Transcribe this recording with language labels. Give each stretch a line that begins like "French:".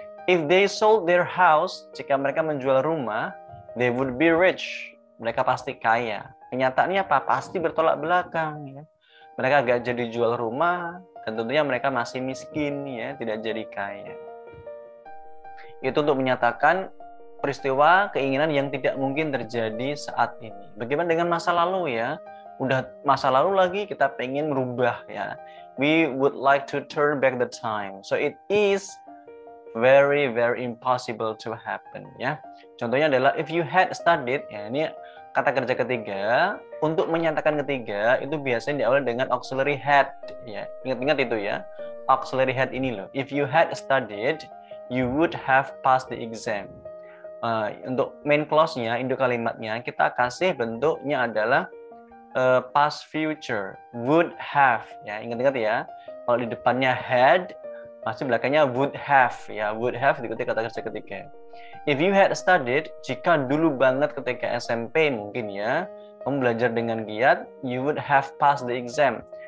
English: If they sold their house,
Indonesian: jika mereka menjual rumah,
English: they would be rich.
Indonesian: Mereka pasti kaya. Kenyataannya apa? Pasti bertolak belakang, ya. Mereka agak jadi jual rumah, dan tentunya mereka masih miskin, ya, tidak jadi kaya. Itu untuk menyatakan peristiwa keinginan yang tidak mungkin terjadi saat ini. Bagaimana dengan masa lalu, ya? udah masa lalu lagi, kita pengen merubah ya.
English: We would like to turn back the time. So it is very very impossible to happen ya.
Indonesian: Contohnya adalah
English: if you had studied
Indonesian: ya, ini kata kerja ketiga. Untuk menyatakan ketiga itu biasanya diawali dengan auxiliary had ya. Ingat-ingat itu ya. Auxiliary had ini loh.
English: If you had studied, you would have passed the exam.
Indonesian: Untuk main clause-nya, induk kalimatnya, kita kasih bentuknya adalah past future, would have. Ya, ingat-ingat ya. Kalau di depannya had, masih belakangnya would have. Ya, would have diikuti kata kerja ketiga.
English: If you had studied,
Indonesian: jika dulu banget ketika SMP mungkin ya, kamu belajar dengan giat,
English: you would have passed the exam.